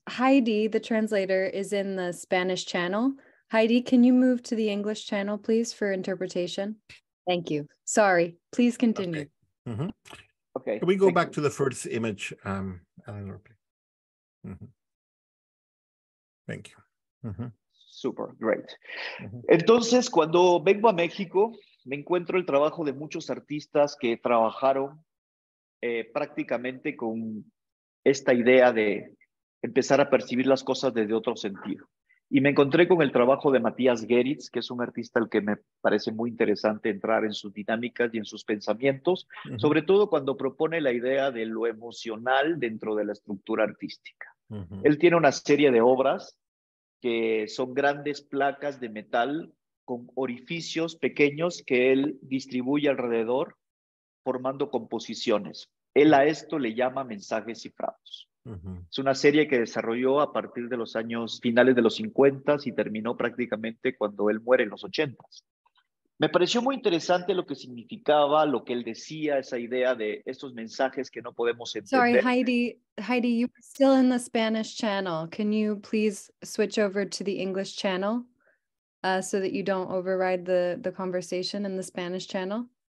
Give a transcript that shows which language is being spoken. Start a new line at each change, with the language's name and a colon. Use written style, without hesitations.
English: Heidi, the translator, is in the Spanish channel. Heidi, can you move to the English channel, please, for interpretation? Thank you. Sorry. Please continue. Okay. Mm-hmm. Okay. Can we go back to the first image, Eleanor, please? Mm-hmm. Thank you. Mm-hmm. Super. Great. Mm-hmm.
Spanish: Entonces, cuando vengo a México, me encuentro el trabajo de muchos artistas que trabajaron prácticamente con esta idea de empezar a percibir las cosas desde otro sentido. Y me encontré con el trabajo de Matías Geritz, que es un artista al que me parece muy interesante entrar en sus dinámicas y en sus pensamientos, uh-huh. sobre todo cuando propone la idea de lo emocional dentro de la estructura artística. Uh-huh. Él tiene una serie de obras que son grandes placas de metal con orificios pequeños que él distribuye alrededor formando composiciones. Él a esto le llama mensajes cifrados. Uh-huh. Es una serie que desarrolló a partir de los años finales de los 50 y terminó prácticamente cuando él muere en los 80. Me pareció muy interesante lo que significaba, lo que él decía, esa idea de estos mensajes que no podemos entender.
English: Sorry, Heidi, you are still in the Spanish channel. Can you please switch over to the English channel so that you don't override the conversation in the Spanish channel?